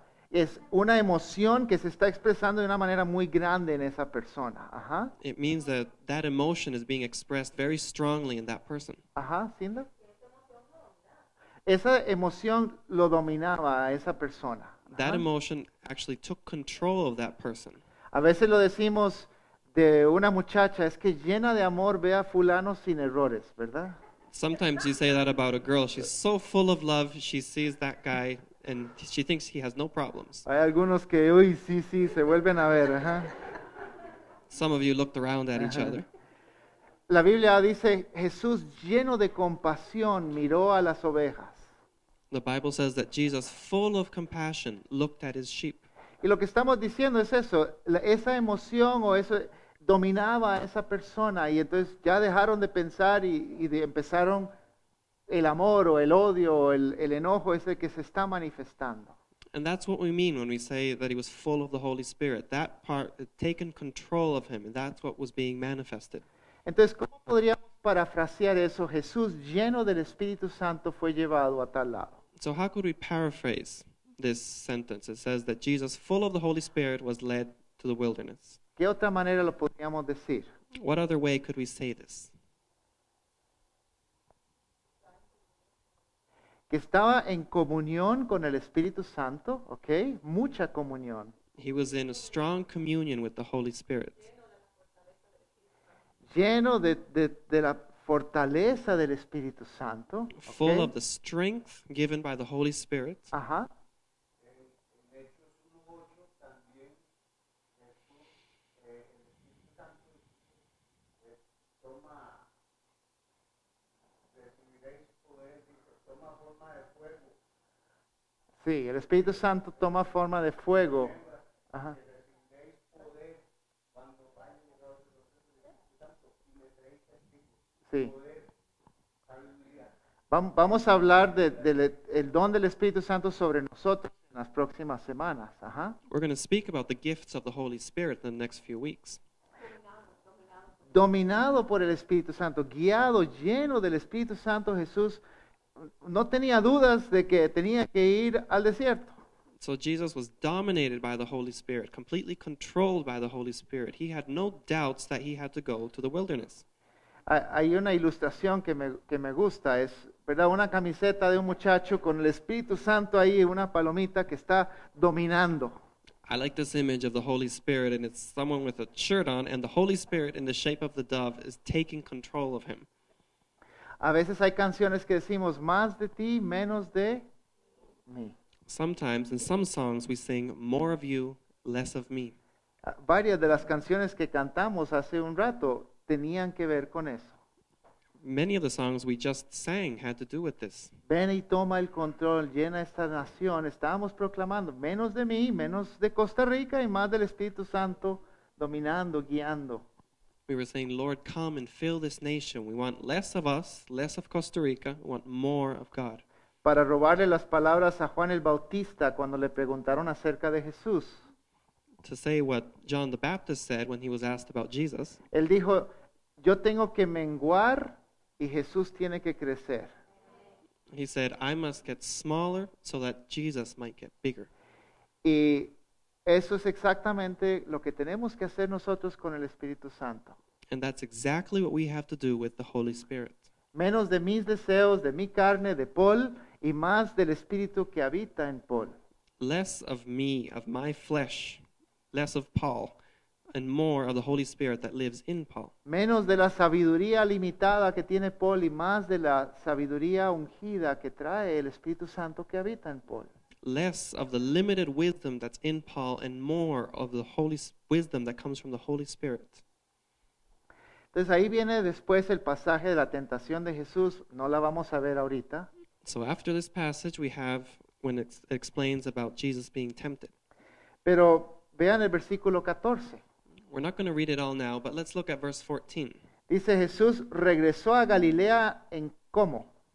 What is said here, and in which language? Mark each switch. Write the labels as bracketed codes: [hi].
[es] Es una emoción que se está expresando de una manera muy grande en esa persona. Ajá. [en] It means that that emotion is being expressed very strongly in that person. [es] Ajá, Cinda. Esa emoción lo dominaba a esa persona. [en] That emotion actually took control of that person. [es] A veces lo decimos de una muchacha, es que llena de amor ve a fulano sin errores, ¿verdad? [en] Sometimes you say that about a girl. She's so full of love, she sees that guy and she thinks he has no problems. [es] Hay algunos que, uy, sí, sí, se vuelven a ver, ajá. [en] Some of you looked around at each other. [es] La Biblia dice, Jesús lleno de compasión miró a las ovejas. [en] The Bible says that Jesus, full of compassion, looked at his sheep. [es] Y lo que estamos diciendo es eso, esa emoción o eso dominaba a esa persona y entonces ya dejaron de pensar y empezaron el amor o el odio o el enojo ese que se está manifestando. [en] And that's what we mean when we say that he was full of the Holy Spirit. That part had taken control of him and that's what was being manifested. [es] Entonces, ¿cómo podríamos parafrasear eso? Jesús, lleno del Espíritu Santo, fue llevado a tal lado. [en] So how could we paraphrase this sentence? It says that Jesus, full of the Holy Spirit, was led to the wilderness. [es] ¿Qué otra manera lo podríamos decir? [en] What other way could we say this? [es] Que estaba en comunión con el Espíritu Santo, ¿ok? Mucha comunión. [en] He was in a strong communion with the Holy Spirit. [es] Lleno de la fortaleza del Espíritu Santo. Okay. [en] Full of the strength given by the Holy Spirit. [es] Ajá. En Hechos 1:8 también Jesús, el Espíritu Santo toma forma de fuego. Sí, el Espíritu Santo toma forma de fuego. Ajá. Sí. Vamos a hablar del don del Espíritu Santo sobre nosotros en las próximas semanas. Ajá. [en] We're going to speak about the gifts of the Holy Spirit in the next few weeks. [es] Dominado por el Espíritu Santo, guiado, lleno del Espíritu Santo, Jesús no tenía dudas de que tenía que ir al desierto. [en] So Jesus was dominated by the Holy Spirit, completely controlled by the Holy Spirit. He had no doubts that he had to go to the wilderness. [es] Hay una ilustración que me gusta, es, ¿verdad?, una camiseta de un muchacho con el Espíritu Santo ahí, una palomita que está dominando. [en] I like this image of the Holy Spirit, and it's someone with a shirt on, and the Holy Spirit in the shape of the dove is taking control of him. [es] A veces hay canciones que decimos, más de ti, menos de mí. [en] Sometimes, in some songs, we sing, more of you, less of me. [es] Varias de las canciones que cantamos hace un rato tenían que ver con eso. [en] Many of the songs we just sang had to do with this. [es] Ven y toma el control, llena esta nación. Estábamos proclamando, menos de mí, menos de Costa Rica y más del Espíritu Santo dominando, guiando. [en] We were saying, Lord, come and fill this nation. We want less of us, less of Costa Rica. We want more of God. [es] Para robarle las palabras a Juan el Bautista cuando le preguntaron acerca de Jesús. [en] To say what John the Baptist said when he was asked about Jesus. [es] Él dijo, yo tengo que menguar y Jesús tiene que crecer. [en] He said, I must get smaller so that Jesus might get bigger. [es] Y eso es exactamente lo que tenemos que hacer nosotros con el Espíritu Santo. [en] And that's exactly what we have to do with the Holy Spirit. [es] Menos de mis deseos, de mi carne, de Paul, y más del Espíritu que habita en Paul. [en] Less of me, of my flesh, less of Paul, and more of the Holy Spirit that lives in Paul. [es] Menos de la sabiduría limitada que tiene Paul y más de la sabiduría ungida que trae el Espíritu Santo que habita en Paul. [en] Less of the limited wisdom that's in Paul and more of the holy wisdom that comes from the Holy Spirit. [es] Entonces ahí viene después el pasaje de la tentación de Jesús. No la vamos a ver ahorita. [en] So after this passage we have when it explains about Jesus being tempted. [es] Pero vean el versículo 14. [en] We're not going to read it all now, but let's look at verse 14. [es] Dice Jesús regresó a Galilea en cómo?